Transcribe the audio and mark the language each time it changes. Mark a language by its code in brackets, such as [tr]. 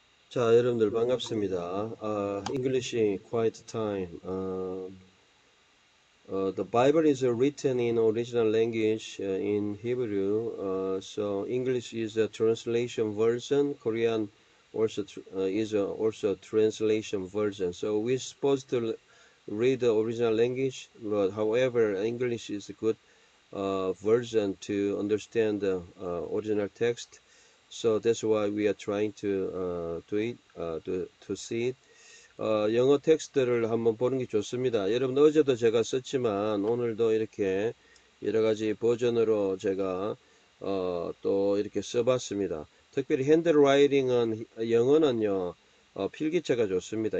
[ko] 자, 여러분들 반갑습니다. [en] English quiet time. The Bible is written in original language in Hebrew. So English is a translation version. Korean also is also a translation version. So we're supposed to read the original language, but however, English is a good version to understand the original text. So that's why we are trying to do it, to see it. [ko] 영어 텍스트를 한번 보는 게 좋습니다. 여러분, 어제도 제가 썼지만, 오늘도 이렇게 여러 가지 버전으로 제가, 또 이렇게 써봤습니다. 특별히 핸드라이팅은, 영어는요, 필기체가 좋습니다.